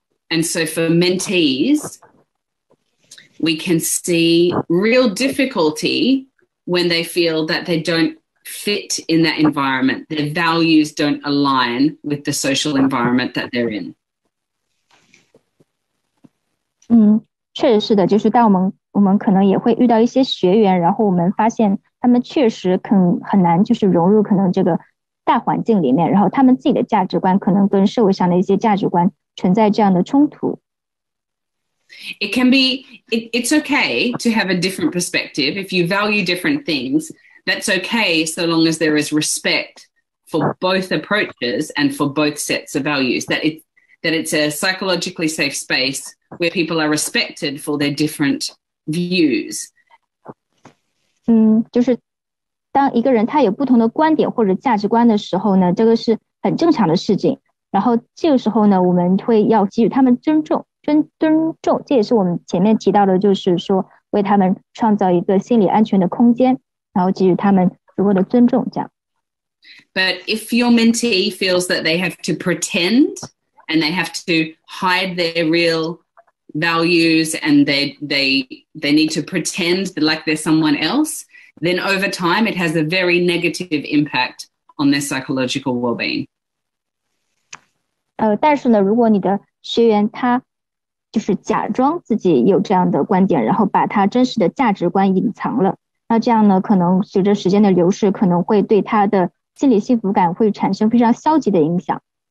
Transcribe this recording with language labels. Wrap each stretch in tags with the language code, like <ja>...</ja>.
<en>And so for mentees, we can see real difficulty when they feel that they don't fit in that environment, their values don't align with the social environment that they're in.</en> <zh>确实是的，就是当我们可能也会遇到一些学员，然后我们发现他们确实很难就是融入可能这个大环境里面，然后他们自己的价值观可能跟社会上的一些价值观存在这样的冲突。</zh> <en>It can be, it's okay to have a different perspective if you value different things. That's okay, so long as there is respect for both approaches and for both sets of values. That it, that it's a psychologically safe space where people are respected for their different views.</en> <zh>就是当一个人他有不同的观点或者价值观的时候呢，这个是很正常的事情。然后这个时候呢，我们会要给予他们尊重，尊重。这也是我们前面提到的，就是说为他们创造一个心理安全的空间，然后给予他们足够的尊重，这样。</zh> <en>But if your mentee feels that they have to pretend and they have to hide their real values and they need to pretend like they're someone else, then over time it has a very negative impact on their psychological well-being.</en> <zh>但是呢，如果你的学员他就是假装自己有这样的观点，然后把他真实的价值观隐藏了，那这样呢，可能随着时间的流逝，可能会对他的心理幸福感会产生非常消极的影响。</zh>